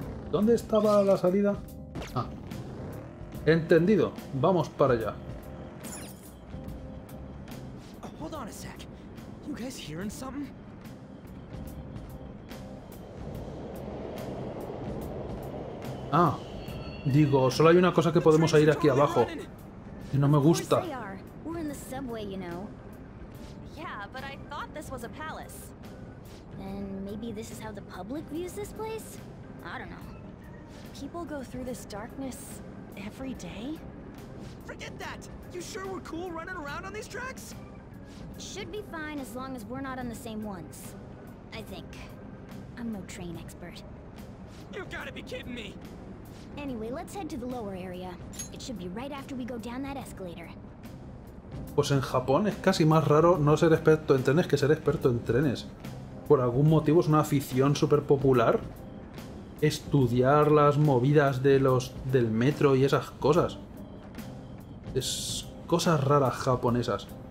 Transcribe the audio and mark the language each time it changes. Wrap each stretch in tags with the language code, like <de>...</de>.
<es>¿Dónde estaba la salida? Ah. Entendido, vamos para allá.</es> <en>Oh, hold on a sec. You guys hearing something? Ah.</en> <es>Digo, solo hay una cosa que podemos oír aquí abajo. Y no me gusta.</es> <en>Yeah, but I thought this was a palace. Then maybe this is how the public views this place? I don't know. People go through this darkness every day? Forget that! You sure we're cool running around on these tracks? Should be fine as long as we're not on the same ones. I think. I'm no train expert. You've gotta be kidding me! Anyway, let's head to the lower area. It should be right after we go down that escalator.</en> <es>Pues en Japón es casi más raro no ser experto en trenes que ser experto en trenes. Por algún motivo es una afición súper popular estudiar las movidas de los del metro y esas cosas. Es cosas raras japonesas.</es>